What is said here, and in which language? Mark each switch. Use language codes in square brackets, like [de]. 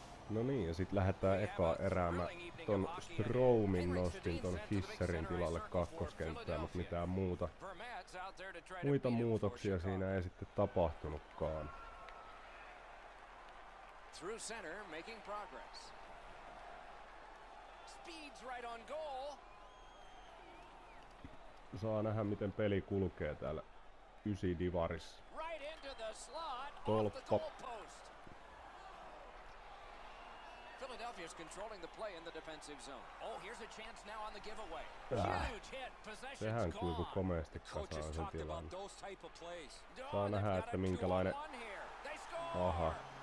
[fi] No niin, ja sit lähdetään ekaa erää. Mä ton Stromin nostin ton Fisherin tilalle kakkoskenttään, mutta mitään muuta. Muita muutoksia siinä ei sitten tapahtunutkaan. [en] Through center, making progress. Speeds right on goal. [fi] Saa nähdä, miten peli kulkee täällä ysi divaris. [en] Right into the slot, tolppa. Off the goalpost. Philadelphia's controlling the play in the defensive zone. Oh, here's a chance now on the giveaway. Huge hit, possession's gone. [fi] Sehän komeasti kasaa sen tilanne. Saa nähdä, että minkälainen... Aha.